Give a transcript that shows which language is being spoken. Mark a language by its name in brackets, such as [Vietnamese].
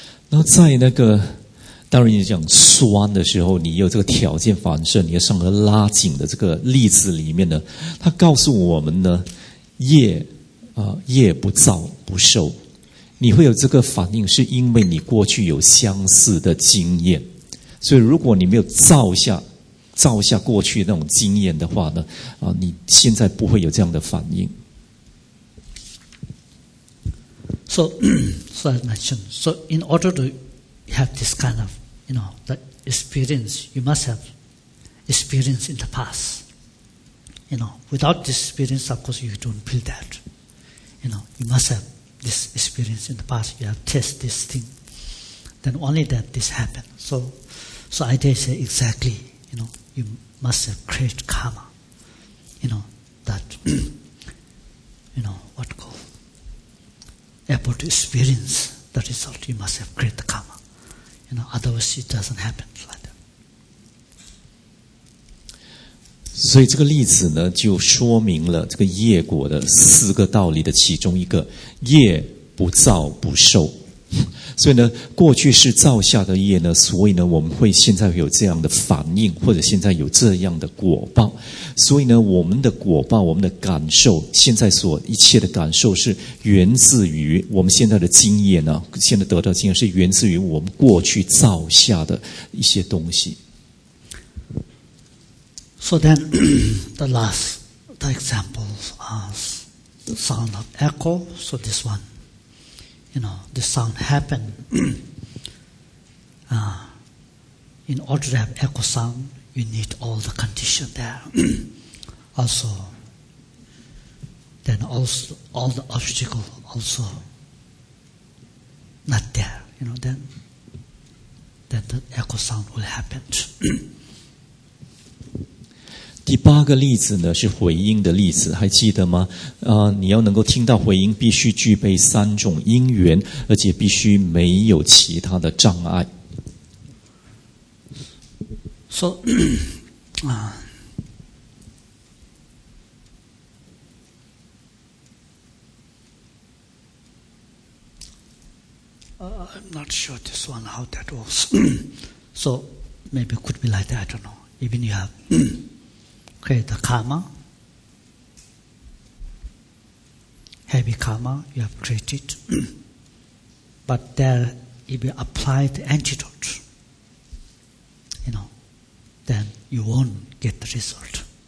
[Chinese] 那在那个，当然你讲酸的时候，你有这个条件反射，你的上颚拉紧的这个例子里面呢，它告诉我们呢，业不造不受。你会有这个反应是因为你过去有相似的经验，所以如果你没有造下过去那种经验的话呢，你现在不会有这样的反应。 [English] So as I mentioned, so in order to have this kind of, you know, the experience, you must have experience in the past, you know, without this experience, of course you don't feel that, you know, you must haveThis experience in the past, you have test this thing, then only that this happened. So I dare say exactly, you know, you must have created karma, you know, that, you know, what called, able to experience the result, you must have created karma, you know, otherwise it doesn't happen like that. [Chinese] 所以这个例子呢，就说明了这个业果的四个道理的其中一个。业不造不受，所以呢，过去是造下的业呢，所以呢，我们会现在会有这样的反应，或者现在有这样的果报，所以呢，我们的果报，我们的感受，现在所一切的感受是源自于我们现在的经验呢，现在得到的经验是源自于我们过去造下的一些东西。 [English] So then, the last, the examples are. Sound of echo, so this one, you know, the sound happened. in order to have echo sound, you need all the condition there. also, then also, all the obstacles also not there. You know, then the echo sound will happen. [Chinese] 第八个例子呢是回音的例子，还记得吗？你要能够听到回音，必须具备三种因缘，而且必须没有其他的障碍。 [English] So, I'm not sure this one how that works. So maybe it could be like that. I don't know. Even you have. Okay, the karma, heavy karma you have created, but there if you apply the antidote, you know, then you won't get the result.